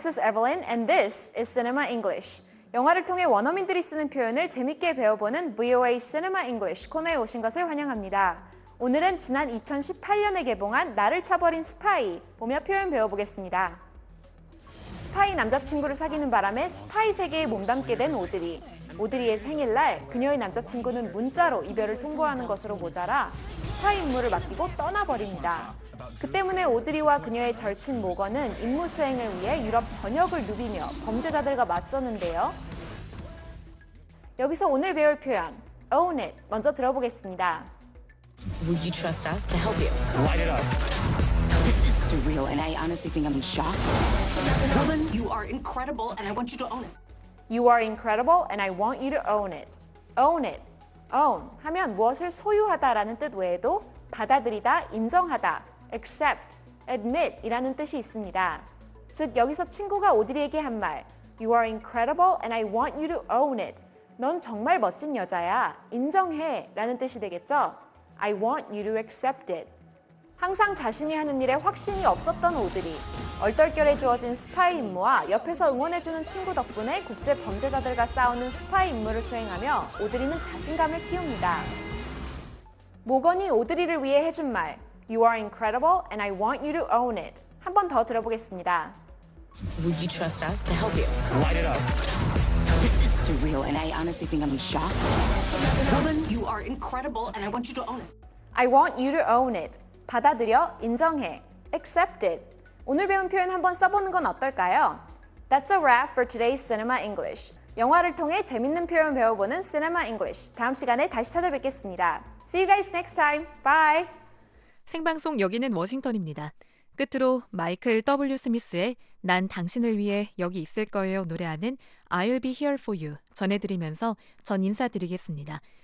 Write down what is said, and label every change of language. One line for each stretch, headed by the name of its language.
English: This is Evelyn and this is Cinema English.
Korean: 영화를 통해 원어민들이 쓰는 표현을 재밌게 배워보는 VOA Cinema English 코너에 오신 것을 환영합니다. 오늘은 지난 2018년에 개봉한 나를 차버린 스파이 보며 표현 배워보겠습니다. 스파이 남자친구를 사귀는 바람에 스파이 세계에 몸담게 된 오드리. 오드리의 생일날 그녀의 남자친구는 문자로 이별을 통보하는 것으로 모자라 스파이 임무를 맡기고 떠나버립니다. 그 때문에 오드리와 그녀의 절친 모건은 임무 수행을 위해 유럽 전역을 누비며 범죄자들과 맞섰는데요. 여기서 오늘 배울 표현,
English: own it,
Korean: 먼저 들어보겠습니다.
English: Will you trust us to help you? Light it up. This is surreal and I honestly think I'm in shock. Woman, you are incredible and I want you to own it. You are incredible and I want you to own it. Own it.
Korean: Own 하면 무엇을 소유하다라는 뜻 외에도 받아들이다, 인정하다.
English: Accept, admit
Korean: 이라는 뜻이 있습니다. 즉 여기서 친구가 오드리에게 한 말
English: You are incredible and I want you to own it.
Korean: 넌 정말 멋진 여자야. 인정해 라는 뜻이 되겠죠?
English: I want you to accept it.
Korean: 항상 자신이 하는 일에 확신이 없었던 오드리. 얼떨결에 주어진 스파이 임무와 옆에서 응원해주는 친구 덕분에 국제 범죄자들과 싸우는 스파이 임무를 수행하며 오드리는 자신감을 키웁니다. 모건이 오드리를 위해 해준 말
English: You are incredible and I want you to own it.
Korean: 한 번 더 들어보겠습니다.
English: Will you trust us to help you? Light it up. This is surreal and I honestly think I'm in shock. Woman, you are incredible and I want you to own it. I want you to own it.
Korean: 받아들여, 인정해.
English: Accept it.
Korean: 오늘 배운 표현 한번 써보는 건 어떨까요?
English: That's a wrap for today's Cinema English.
Korean: 영화를 통해 재밌는 표현 배워보는 Cinema English. 다음 시간에 다시 찾아뵙겠습니다.
English: See you guys next time. Bye.
Korean: 생방송 여기는 워싱턴입니다. 끝으로 마이클 W. 스미스의 난 당신을 위해 여기 있을 거예요 노래하는 I'll be here for you 전해드리면서 전 인사드리겠습니다.